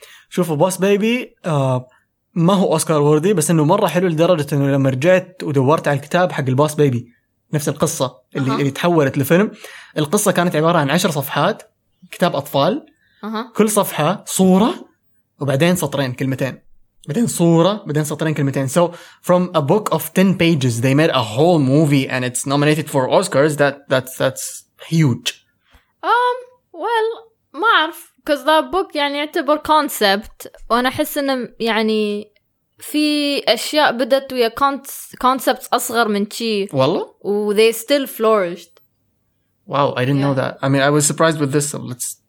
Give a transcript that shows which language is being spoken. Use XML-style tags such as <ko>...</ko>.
<ar>شوفوا boss baby ما هو أوسكار وردي بس إنه مرة حلو لدرجة إنه لما رجعت ودورت على الكتاب حق الboss baby نفس القصة اللي, اللي تحولت لفيلم. القصة كانت عبارة عن 10 صفحات كتاب أطفال. كل صفحة صورة وبعدين سطرين كلمتين بعدين صورة بعدين سطرين كلمتين.</ar> <en>So from a book of 10 pages they made a whole movie and it's nominated for Oscars. That's huge.</en> <ar>Well ما أعرف</ar> <en>because that book</en> <ar>يعني يعتبر concept وأنا أحس أنه يعني في أشياء بدت ويا concepts أصغر من شي والله؟ و</ar> <en>they still flourished. Wow, I didn't know that. I mean, I was surprised with this. So let's...</en>